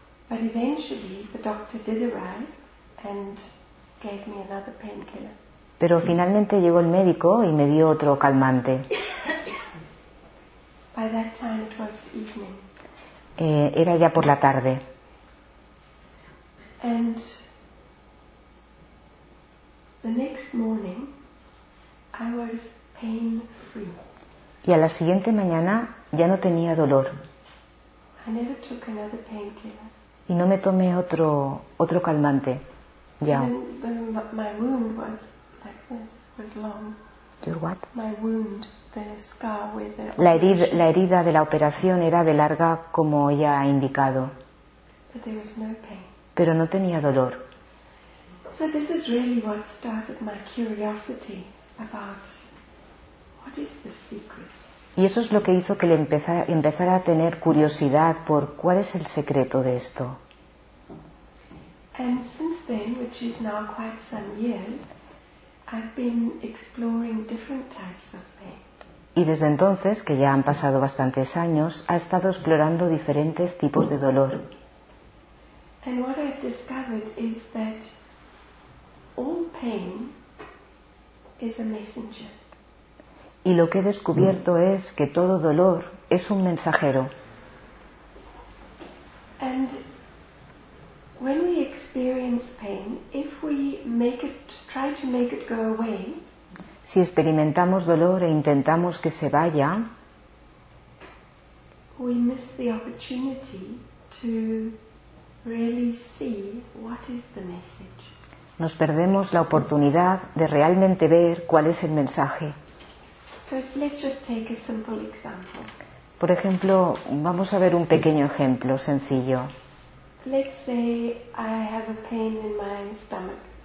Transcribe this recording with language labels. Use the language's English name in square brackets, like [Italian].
[English] But eventually the doctor did arrive and gave me another painkiller. [Spanish] Pero finalmente llegó el médico y me dio otro calmante. [English] By that time it was evening. [Spanish] Era ya por la tarde. [English] And the next morning I was pain free. [Spanish] Y a la siguiente mañana ya no tenía dolor. [English] I never took another painkiller. [Spanish] Y no me tomé otro calmante. Ya. [English] My wound was like this, was long. Your what? My wound, the scar where the operation. [Spanish] La herida de la operación era de larga, como ella ha indicado. [English] But there was no pain. [Spanish] Pero no tenía dolor. [English] So this is really what started my curiosity about what is the secret. [Spanish] Y eso es lo que hizo que le empezara a tener curiosidad por cuál es el secreto de esto. [English] And since then, which is now quite some years, I've been exploring different types of pain. [Spanish] Y desde entonces, que ya han pasado bastantes años, ha estado explorando diferentes tipos de dolor. [English] And what I've discovered is that all pain is a messenger. [Spanish] Y lo que he descubierto es que todo dolor es un mensajero. [English] And when we experience pain, if we make it, try to make it go away, [Spanish] si experimentamos dolor e intentamos que se vaya, [English] we miss the opportunity to really see what is the message. [Spanish] Nos perdemos la oportunidad de realmente ver cuál es el mensaje. [English] So let's just take a simple example. [Spanish] Por ejemplo, vamos a ver un pequeño ejemplo sencillo. [English] Let's say I have a pain in my stomach.